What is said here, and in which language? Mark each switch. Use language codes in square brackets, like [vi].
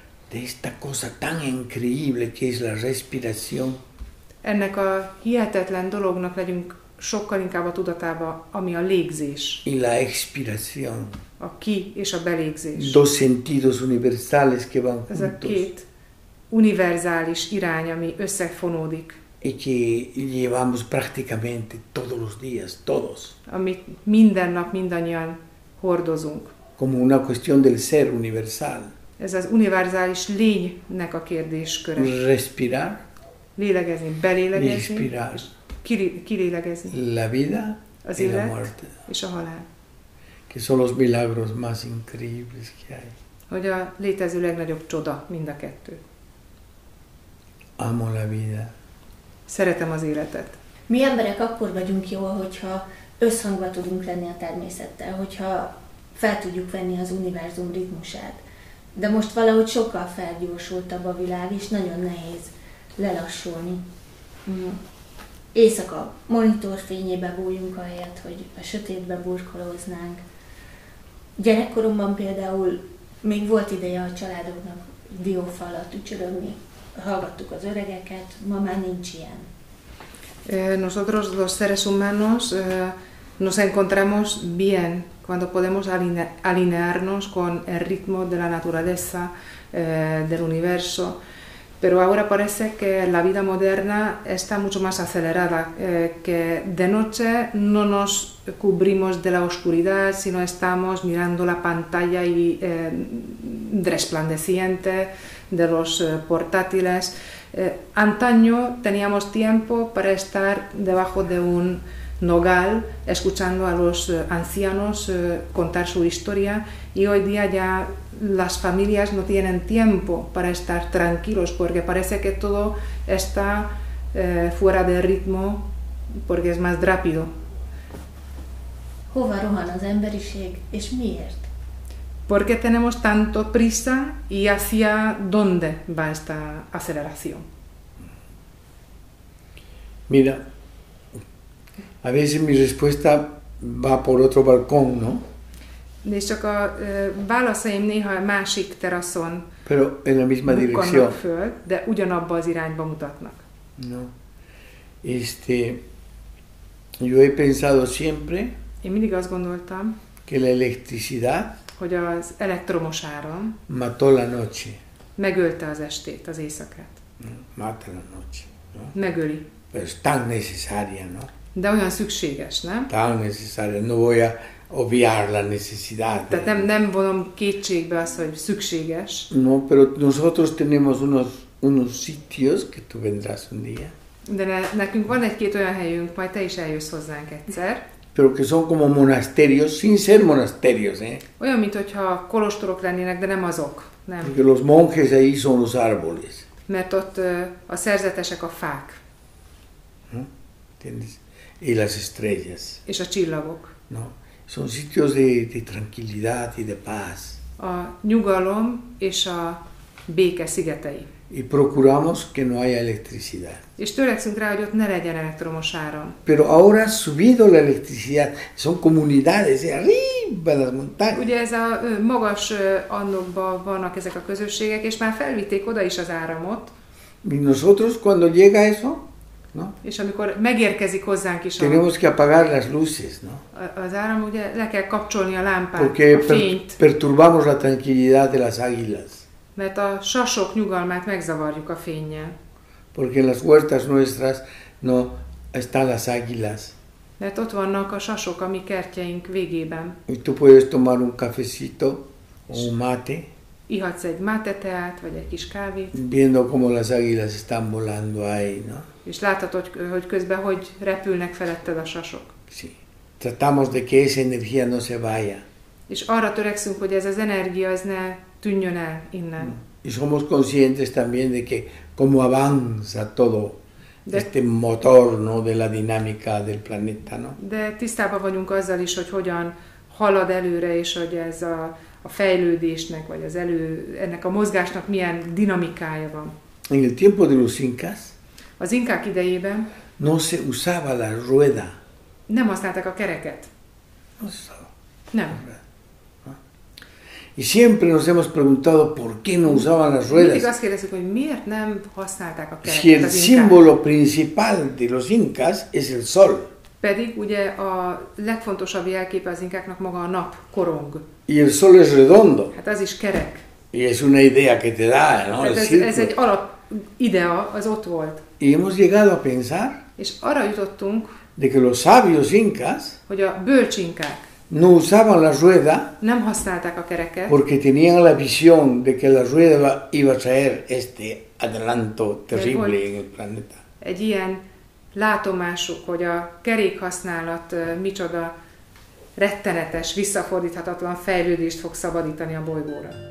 [es] De esta cosa tan increíble que es la respiración. [hu] Ennek a hihetetlen dolognak legyünk sokkal inkább a tudatába, ami a légzés. [es] Y la expiración. [hu] A ki és a belégzés. [es] Dos sentidos universales que van juntos. [hu] Ez a két univerzális irány, ami összefonódik. [es] Y que llevamos prácticamente todos los días, todos. [hu] Amit minden nap mindannyian hordozunk. [es] Como una cuestión del ser universal. [hu] Ez az univerzális lénynek a kérdésköre. [es] Respirar. [hu] Lélegezni, belélegezni. [es] Respirar. [hu] Kilélegezni. [es] La vida. [hu] Az élet. [es] La muerte. [hu] És a halál. [es] Que son los milagros más increíbles que hay. [hu] Hogy a létező legnagyobb csoda mind a kettő. [es] Amo la vida. [hu] Szeretem az életet. Mi emberek akkor vagyunk jó, hogyha összhangban tudunk lenni a természettel, hogyha fel tudjuk venni az univerzum ritmusát. De most valahogy sokkal felgyorsultabb a világ, és nagyon nehéz lelassulni. Éjszaka monitor fényébe bújunk ahelyett, hogy a sötétbe burkolóznánk. Gyerekkoromban például még volt ideje a családoknak diófalat ücsörögni. Hallgattuk az öregeket, ma már nincs ilyen. [es] Nosotros los seres humanos nos encontramos bien cuando podemos alinearnos con el ritmo de la naturaleza, del universo. Pero ahora parece que la vida moderna está mucho más acelerada, que de noche no nos cubrimos de la oscuridad, sino estamos mirando la pantalla y resplandeciente de los portátiles. Antaño teníamos tiempo para estar debajo de un Nogal, escuchando a los ancianos contar su historia, y hoy día ya las familias no tienen tiempo para estar tranquilos porque parece que todo está fuera de ritmo porque es más rápido. [hu] Hova rohan az emberiség, és miért? [es] ¿Por qué tenemos tanto prisa y hacia dónde va esta aceleración? Mira, a veces mi respuesta va por otro balcón, ¿no? [hu] De csak a válaszaim néha a másik teraszon. [es] Pero en la misma dirección. [hu] Föl, de ugyanabba az irányba mutatnak. [es] No. Yo he pensado siempre. [hu] Én mindig azt gondoltam. [es] Que la electricidad. [hu] Hogy az elektromos áram. [es] Mató la noche. [hu] Megölte az estét, az éjszakát. [es] Mató la noche. No? [hu] Megöli. [es] Pero es tan necesaria, ¿no? [hu] De olyan szükséges, nem? [es] Tan necesaria. No voy a obviar la necesidad. [hu] Tehát nem vonom kétségbe azt, hogy szükséges. [es] No, pero nosotros tenemos unos sitios que tú vendrás un día. [hu] De nekünk van egy-két olyan helyünk, majd te is eljössz hozzánk egyszer. [es] Pero que son como monasterios, sin ser monasterios, ¿eh? [hu] Olyan, mintha kolostorok lennének, de nem azok. Nem. [es] Porque los monjes ahí son los árboles. [hu] Mert ott a szerzetesek a fák. [es] Y las estrellas. [hu] És a csillagok. [es] No, son sitios de tranquilidad y de paz. [hu] A nyugalom és a béke szigetei. [es] Y procuramos que no haya electricidad. [hu] És törekszünk rá, hogy ott ne legyen elektromos áram. [es] Pero ahora ha subido la electricidad, son comunidades de arriba las montañas. [hu] Ugye ez a magas annokban vannak ezek a közösségek, és már felvitték oda is az áramot. [es] Y nosotros cuando llega eso, ¿no? [hu] És amikor megérkezik hozzánk is, [es] tenemos que apagar las luces, ¿no? [hu] Az áram, ugye le kell kapcsolni a lámpát, [es] porque [hu] a fényt. [es] Perturbamos la tranquilidad de las águilas. [hu] Mert a sasok nyugalmát megzavarjuk a fénnyel. [es] Porque en las huertas nuestras no están las águilas. [hu] Mert ott vannak a sasok a mi kertjeink végében. [es] Y tú puedes tomar un cafecito o un mate. [hu] Ihatsz egy máteteát, vagy egy kis kávét. [es] Viendo como las águilas están volando ahí, ¿no? [hu] És láthatod, hogy közben hogy repülnek feletted a sasok. [es] Sí. Tratamos de que esa energía no se vaya. [hu] És arra törekszünk, hogy ez az energia, ez ne tűnjön el innen. [es] Y somos conscientes también de que cómo avanza todo de, este motor, ¿no? De la dinámica del planeta, ¿no? [hu] De tisztában vagyunk azzal is, hogy hogyan halad előre, és hogy ez a fejlődésnek, vagy az elő, ennek a mozgásnak milyen dinamikája van. [es] En el tiempo de los incas, [hu] az inkák idejében [es] no se usaba la rueda. [hu] Nem használtak a kereket. [es] No se usaba. [hu] Nem. [es] Y siempre nos hemos preguntado por qué no usaban las ruedas. [hu] Mindig azt kérdezik, hogy miért nem használták a kereket. [es] Si el símbolo principal de los incas es el sol. [hu] Pedig ugye a legfontosabb jelképe az inkáknak maga a nap, korong. [es] Y el sol es redondo. [hu] Hát az is kerek. [es] Y es una idea que te da, ¿no? [hu] Hát ez egy alap idea, az ott volt. [es] Y hemos llegado a pensar. [hu] És arra jutottunk. [es] De que los sabios incas. [hu] Hogy a bölcs inkák. [es] No usaban la rueda. [hu] Nem használták a kereket. [es] Porque tenían la visión de que la rueda iba a traer este adelanto terrible en el planeta. [hu] Egy ilyen látomásuk, hogy a kerék használat micsoda rettenetes, visszafordíthatatlan fejlődést fog szabadítani a bolygóra.